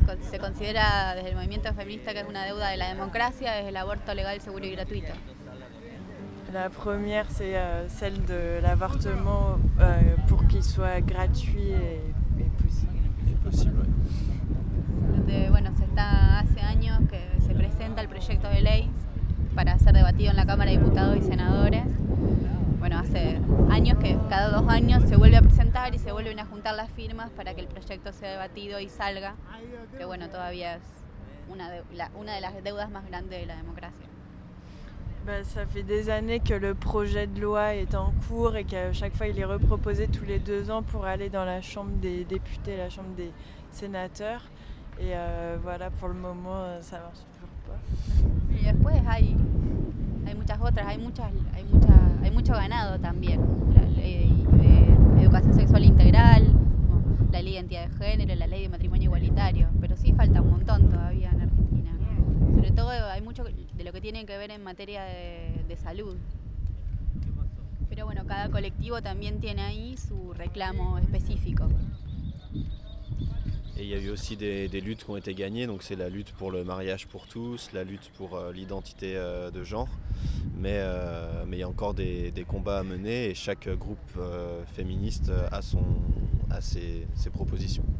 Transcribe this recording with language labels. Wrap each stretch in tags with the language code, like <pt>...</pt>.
<es>se considera desde el movimiento feminista que es una deuda de la democracia, es el aborto legal, seguro y gratuito. La primera es</es> <fr>celle de l'avortement pour qu'il soit gratuit et possible. Et possible, ouais.</fr> <es>Donde, bueno, se está hace años que se presenta el proyecto de ley para ser debatido en la Cámara de Diputados y Senadores. Bueno, hace años que cada 2 años se vuelve a presentar y se vuelven a juntar las firmas para que el proyecto sea debatido y salga, que bueno, todavía es una de las deudas más grandes de la democracia.</es> <fr>Ben, ça fait des années que le projet de loi est en cours et qu'à chaque fois il est reproposé tous les 2 ans pour aller dans la chambre des députés, la chambre des sénateurs, et voilà, pour le moment ça marche toujours pas.</fr> <es>Y después hay muchas otras, hay mucho ganado también, la ley de educación sexual integral, la ley de identidad de género, la ley de matrimonio igualitario, pero sí falta un montón todavía en Argentina. Sobre todo hay mucho de lo que tiene que ver en materia de salud. Pero bueno, cada colectivo también tiene ahí su reclamo específico.</es> <fr>Et il y a eu aussi des luttes qui ont été gagnées, donc c'est la lutte pour le mariage pour tous, la lutte pour l'identité de genre, mais il y a encore des combats à mener et chaque groupe féministe a ses propositions.</fr>